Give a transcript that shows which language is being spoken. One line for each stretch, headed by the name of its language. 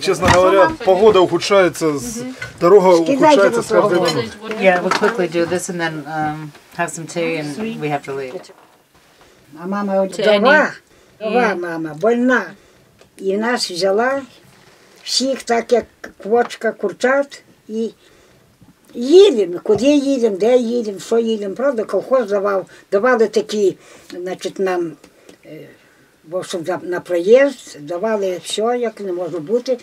Russian: Честно говоря, погода ухудшается, mm-hmm. дорога ухудшается с каждой минутой.
English: Yeah, we'll quickly do this and then have some tea and we have to leave.
Russian: А мама вдова мама, больна.
Ukrainian: І нас взяла всіх так, як квочка курчат. І їдем, куди їдем, де їдем, що їдем. Правда, колхоз давав, давали такі, значить, нам, в общем, на проїзд, давали все, як не може бути.